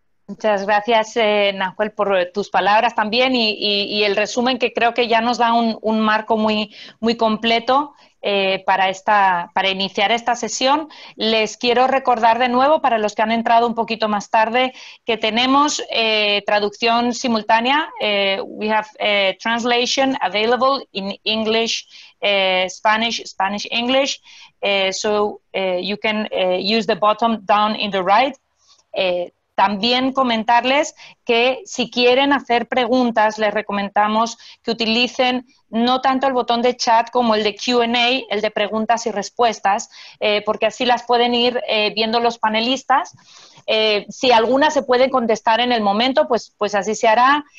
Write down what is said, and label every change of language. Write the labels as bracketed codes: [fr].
[es] Muchas gracias, Nahuel, por tus palabras también y el resumen, que creo que ya nos da un marco muy, muy completo para iniciar esta sesión. Les quiero recordar de nuevo, para los que han entrado un poquito más tarde, que tenemos traducción simultánea. [en] We have translation available in English, Spanish, Spanish, English. So you can use the button down in the right. [es] También comentarles que si quieren hacer preguntas, les recomendamos que utilicen no tanto el botón de chat como el de Q&A, el de preguntas y respuestas, porque así las pueden ir viendo los panelistas. Si alguna se puede contestar en el momento, pues así se hará.